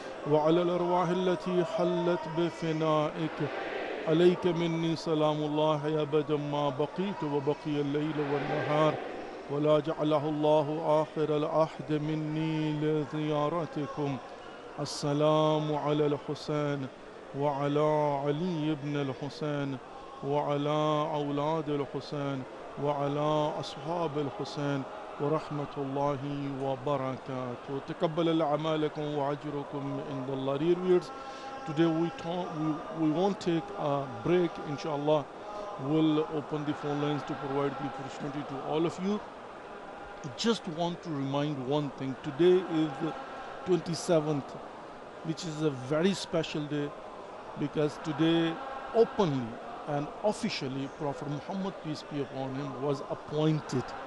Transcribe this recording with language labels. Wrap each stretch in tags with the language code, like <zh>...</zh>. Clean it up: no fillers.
<ar>وعلى الأرواح التي حلت بفنائك عليك مني سلام الله أبدا ما بقيت وبقي الليل والنهار ولا جعله الله آخر العهد مني لزيارتكم السلام على الحسين وعلى علي بن الحسين وعلى أولاد الحسين وعلى أصحاب الحسين ورحمة الله وبركاته. تقبل أعمالكم وأجركم عند الله.</ar> <en>Dear viewers, today we won't take a break. Inshallah, we'll open the phone lines to provide the opportunity to all of you. I just want to remind one thing. Today is the 27th, which is a very special day, because today openly and officially Prophet Muhammad, peace be upon him, was appointed.</en>